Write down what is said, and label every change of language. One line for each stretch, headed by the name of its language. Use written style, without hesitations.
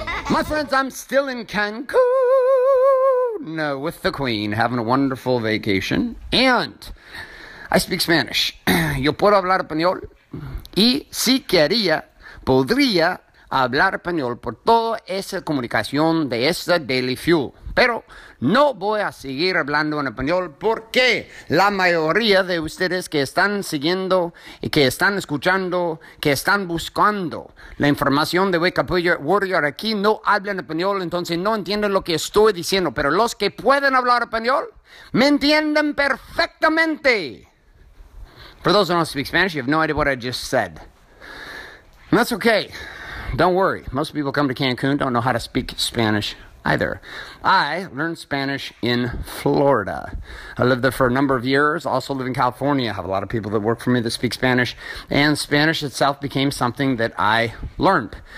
English: My friends, I'm still in Cancun with the Queen, having a wonderful vacation. And I speak Spanish.
Spanish: Yo puedo hablar español. Y si quería, podría hablar español por toda esa comunicación de esa Daily Fuel. Pero no voy a seguir hablando en español porque la mayoría de ustedes que están siguiendo y que están escuchando, que están buscando la información de Wake Up Warrior aquí, no hablan español, entonces no entienden lo que estoy diciendo. Pero los que pueden hablar español, me entienden perfectamente.
English: For those who don't speak Spanish, you have no idea what I just said. That's okay. Don't worry. Most people come to Cancun don't know how to speak Spanish either. I learned Spanish in Florida. I lived there for a number of years. Also live in California. I have a lot of people that work for me that speak Spanish. And Spanish itself became something that I learned.